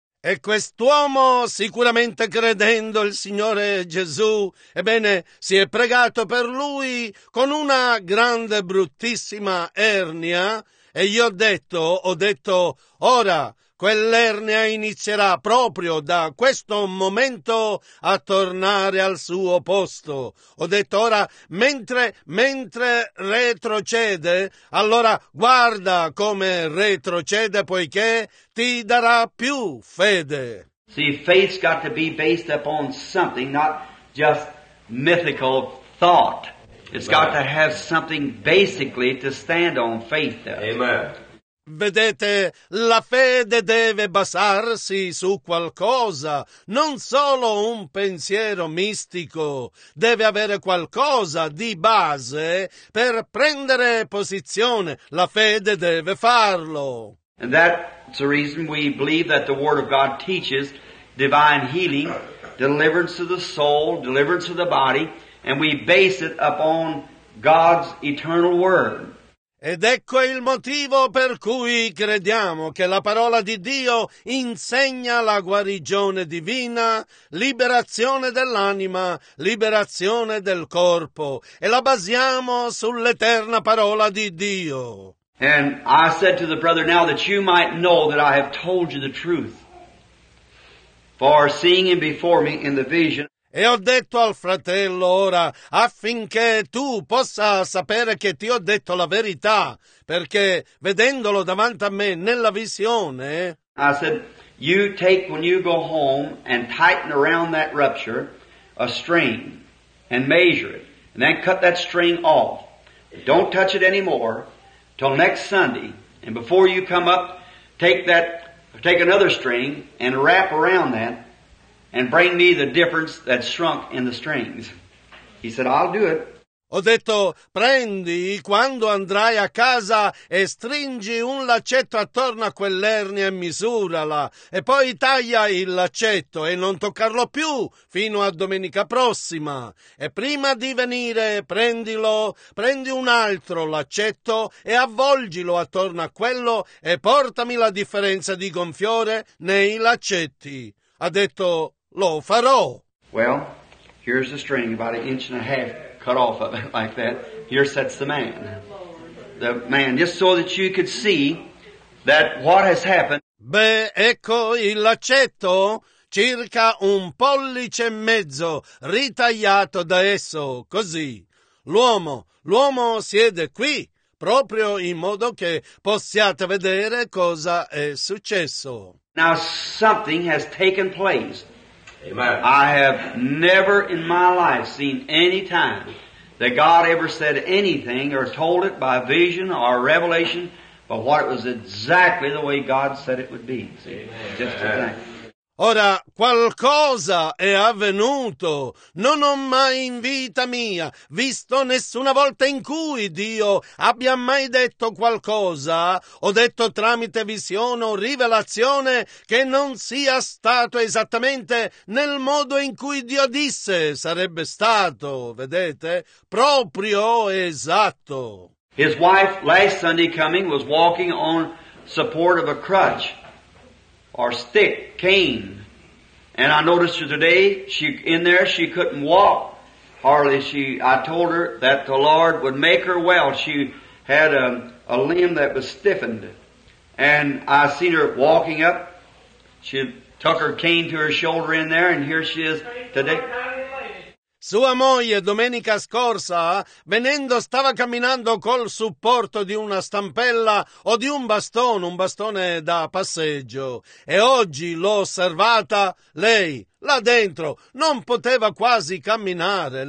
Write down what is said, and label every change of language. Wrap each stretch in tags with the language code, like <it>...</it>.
<it>E quest'uomo, sicuramente credendo il Signore Gesù, ebbene, si è pregato per lui con una grande bruttissima ernia e io ho detto, ora quell'ernia inizierà proprio da questo momento a tornare al suo posto. Ho detto, ora, mentre retrocede, allora guarda come retrocede, poiché ti darà più fede.</it> <en>See, faith's got to be based upon something, not just mythical thought. It's got to have something basically to stand on, faith does. Amen.</en> <it>Vedete, la fede deve basarsi su qualcosa, non solo un pensiero mistico. Deve avere qualcosa di base per prendere posizione. La fede deve farlo.</it> <en>And that's the reason we believe that the Word of God teaches divine healing, deliverance of the soul, deliverance of the body, and we base it upon God's eternal Word.</en> <it>Ed ecco il motivo per cui crediamo che la parola di Dio insegna la guarigione divina, liberazione dell'anima, liberazione del corpo, e la basiamo sull'eterna parola di Dio.</it> <en>And I said to the brother, now that you might know that I have told you the truth, for seeing him before me in the vision.</en> <it>E ho detto al fratello, ora, affinché tu possa sapere che ti ho detto la verità, perché vedendolo davanti a me nella visione,</it> <en>I said, you take when you go home and tighten around that rupture a string and measure it, and then cut that string off. Don't touch it anymore till next Sunday, and before you come up, take another string and wrap around that. And bring me the difference that shrunk in the strings. He said, I'll do it.</en> <it>Ho detto, prendi quando andrai a casa e stringi un laccetto attorno a quell'ernia e misurala. E poi taglia il laccetto e non toccarlo più fino a domenica prossima. E prima di venire, prendi un altro laccetto e avvolgilo attorno a quello e portami la differenza di gonfiore nei laccetti. Ha detto, lo farò.</it> <en>Well, here's the string, about an inch and a half cut off of it like that. Here sits the man. The man, just so that you could see that what has happened.</en> <it>Beh, ecco il laccetto, circa un pollice e mezzo, ritagliato da esso, così. L'uomo siede qui, proprio in modo che possiate vedere cosa è successo.</it> <en>Now something has taken place. Amen. I have never in my life seen any time that God ever said anything or told it by vision or revelation, but what it was exactly the way God said it would be. See? Amen. Just a thing.</en> <it>Ora, qualcosa è avvenuto. Non ho mai in vita mia visto nessuna volta in cui Dio abbia mai detto qualcosa o detto tramite visione o rivelazione che non sia stato esattamente nel modo in cui Dio disse sarebbe stato, vedete? Proprio esatto.</it> <en>His wife, last Sunday coming, was walking on support of a crutch. Or stick, cane. And I noticed her today, she couldn't walk hardly. I told her that the Lord would make her well. She had a limb that was stiffened. And I seen her walking up. She tuck her cane to her shoulder in there, and here she is today.</en> <it>Sua moglie domenica scorsa, venendo, stava camminando col supporto di una stampella o di un bastone da passeggio. E oggi l'ho osservata, lei, là dentro, non poteva quasi camminare.</it>